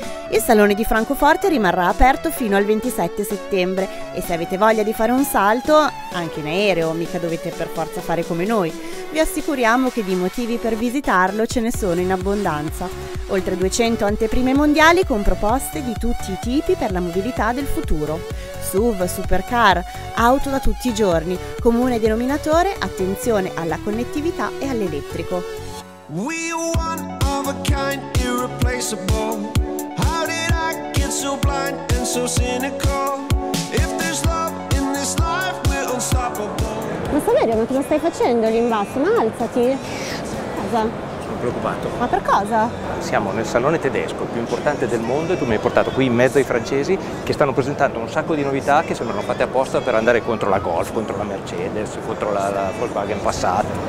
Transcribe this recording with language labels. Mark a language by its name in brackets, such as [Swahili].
[Italian] Il Salone di Francoforte rimarrà aperto fino al 27 settembre e se avete voglia di fare un salto, anche in aereo, mica dovete per forza fare come noi, vi assicuriamo che di motivi per visitarlo ce ne sono in abbondanza. Oltre 200 anteprime mondiali con proposte di tutti i tipi per la mobilità del futuro. SUV, supercar, auto da tutti i giorni, comune denominatore, attenzione alla connettività e all'elettrico. [English] We one of a kind, irreplaceable. How did I get so blind and so cynical? If there's love in this life, we're unstoppable. [Italian] Ma Saverio, ma cosa stai facendo lì in basso? Ma alzati! Cosa? Sono preoccupato. Ma per cosa? Siamo nel salone tedesco, il più importante del mondo, e tu mi hai portato qui in mezzo ai francesi che stanno presentando un sacco di novità che sembrano fatte apposta per andare contro la Golf, contro la Mercedes, contro la Volkswagen Passat.